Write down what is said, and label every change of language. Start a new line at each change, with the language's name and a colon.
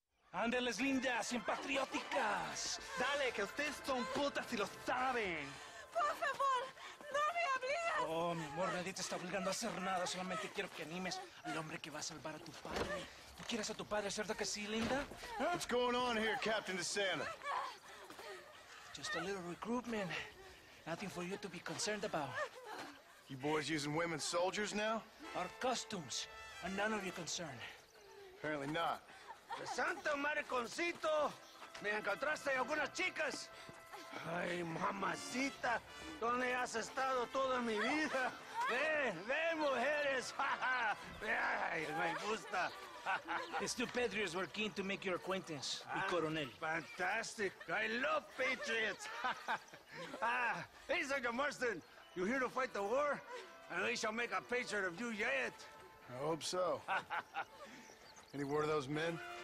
Spanish: ¡Ándeles lindas, impatrióticas! ¡Dale, que ustedes son putas y lo saben! ¡Por favor, no me obligas! Oh, mi amor, nadie te está obligando a hacer nada. Solamente quiero que animes al hombre que va a salvar a tu padre. ¿Tú quieres a tu padre, cierto que sí, linda? ¿Eh?
English: What's going on here, Captain DeSanta? Just a little recruitment. Nothing for you to be concerned about. You boys using women soldiers now? Our customs are none of your concern. Apparently not.
Spanish: Santo Mariconcito, me encontraste algunas chicas. Ay, mamacita, ¿dónde has estado toda mi vida? Ven, ven, mujeres. Ay, me gusta.
English: Still, Patriots were keen to make your acquaintance,
Spanish: mi coronel.
English: Fantastic. I love Patriots. Hey, Sergeant Marston, you here to fight the war? At least I'll make a Patriot of you yet. I hope so. Any word of those men?